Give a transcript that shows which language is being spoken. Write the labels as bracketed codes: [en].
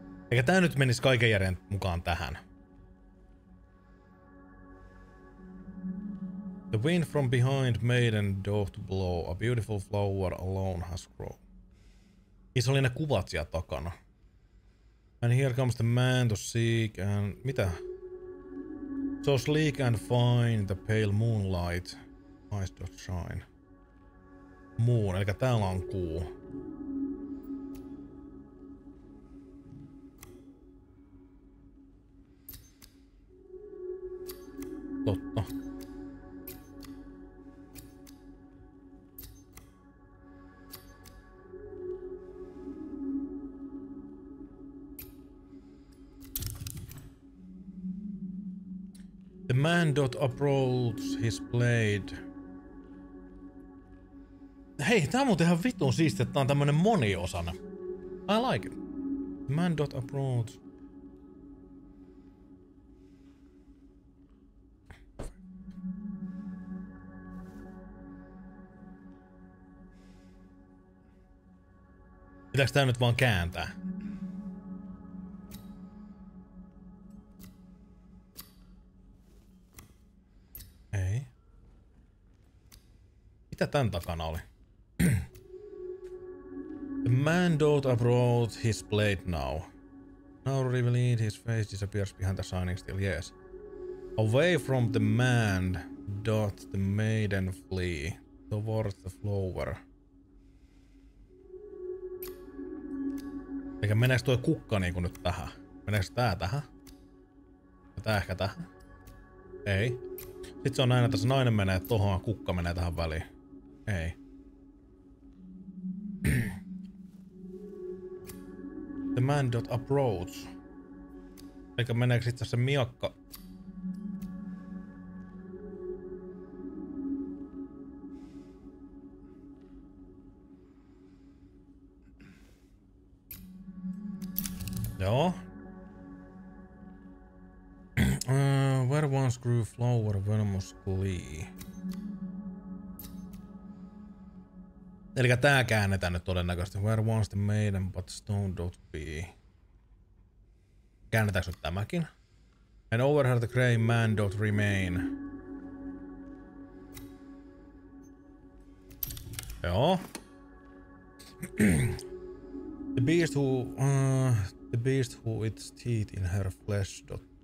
[fi] Eikä tää nyt menis kaiken järjen mukaan tähän. [en] The wind from behind maiden doth blow, a beautiful flower alone has grown. [fi] Niin se oli ne kuvat siellä takana. [en] And here comes the man to seek and... [fi] Mitä? [en] So sleek and fine, the pale moonlight, eyes doth shine. [fi] Moon, elikkä täällä on kuu. Totta. [en] The man doth uproot his blade. [fi] Hei, tää on muuten ihan vitun siisti, että tää on tämmönen moniosana. [en] I like it. The man doth uproot. [fi] Pitääks tää nyt vaan kääntää? Ei. Mitä tän takana oli? [en] The man doth uproot his blade now. Now revealed his face disappears behind the shining steel, yes. Away from the man doth the maiden flee towards the flower. [fi] Eikä meneekö toi kukka niinku nyt tähän? Meneekö tää tähän? Ja tää ehkä tähän? Ei. Sit se on näin, että se nainen menee tohon ja kukka menee tähän väliin. Ei. [en] The man dot approach. [fi] Eikä meneekö sit se miakka? Joo. [en] Where once grew flower venomous glee. [fi] Elikkä tää käännetään nyt todennäköisesti. [en] Where once the maiden but stone dot be. [fi] Käännetäänkö nyt tämäkin? [en] And over her the grey man dot remain. [fi] Joo. [en] The beast who... The beast who its teeth in her flesh dot...